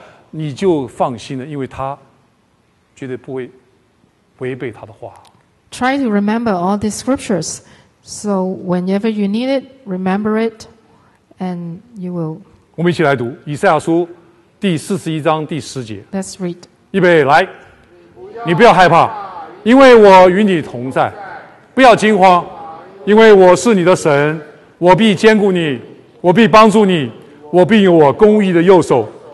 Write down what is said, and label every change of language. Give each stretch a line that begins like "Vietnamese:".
Chinese: 你就放心了，因为他绝对不会违背他的话。
English: Try to remember all these scriptures, so whenever you need it, remember it, and you will.
Chinese: 我们一起来读以赛亚书第四十一章第十节。
English: Let's read.
Chinese: 预备，来，你不要害怕，因为我与你同在；不要惊慌，因为我是你的神，我必坚固你，我必帮助你，我必用我公义的右手。